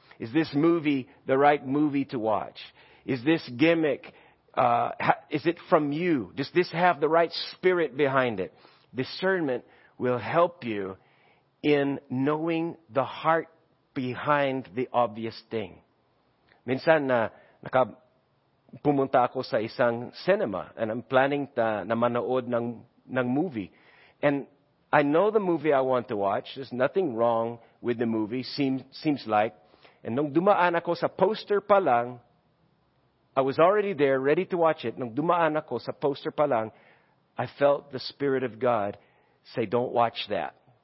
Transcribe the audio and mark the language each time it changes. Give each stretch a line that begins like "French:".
English: Is this movie the right movie to watch? Is this gimmick, is it from you? Does this have the right spirit behind it? Discernment will help you in knowing the heart behind the obvious thing.
Filipino: Minsan na nakapumunta ako sa isang cinema
English: and I'm planning
Filipino: na manood ng movie.
English: And I know the movie I want to watch. There's nothing wrong with the movie, seems like. And
Filipino: nung dumaan ako sa poster pa lang,
English: I was already there, ready to watch it.
Filipino: Nung dumaan ako sa poster pa lang,
English: I felt the Spirit of God say, don't watch that.